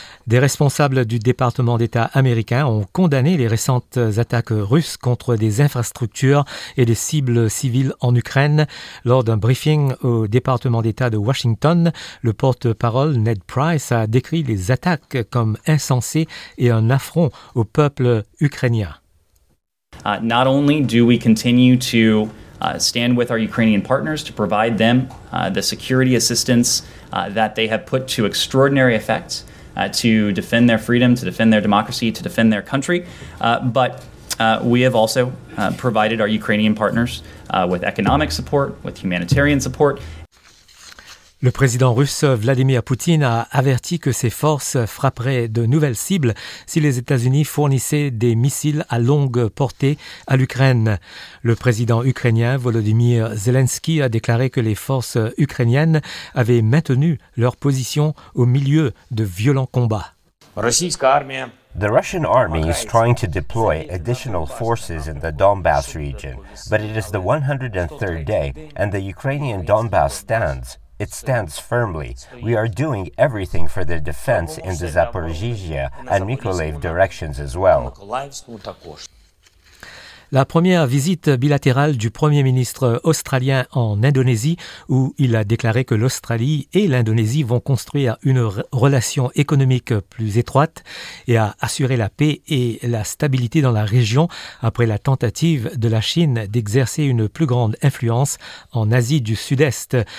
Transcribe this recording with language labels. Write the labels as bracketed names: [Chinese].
[French] Des responsables du département d'État américain ont condamné les récentes attaques russes contre des infrastructures et des cibles civiles en Ukraine. Lors d'un briefing au département d'État de Washington, le porte-parole Ned Price a décrit les attaques comme insensées et un affront au peuple ukrainien. [English] Not only do we continue to stand with our Ukrainian partners to provide them the security assistance that they have put to extraordinary effect to defend their freedom, to defend their democracy, to defend their country, but we have also provided our Ukrainian partners with economic support, with humanitarian support. [French] Le président russe Vladimir Poutine a averti que ses forces frapperaient de nouvelles cibles si les États-Unis fournissaient des missiles à longue portée à l'Ukraine. Le président ukrainien Volodymyr Zelensky a déclaré que les forces ukrainiennes avaient maintenu leur position au milieu de violents combats. [English] The Russian army is trying to deploy additional forces in the Donbass region, but it is the 103rd day and the Ukrainian Donbass stands. It stands firmly. We are doing everything for their defense in the Zaporizhia and Mykolaiv directions as well. [French] La première visite bilatérale du Premier ministre australien en Indonésie, où il a déclaré que l'Australie et l'Indonésie vont construire une relation économique plus étroite et à assurer la paix et la stabilité dans la région après la tentative de la Chine d'exercer une plus grande influence en Asie du Sud-Est.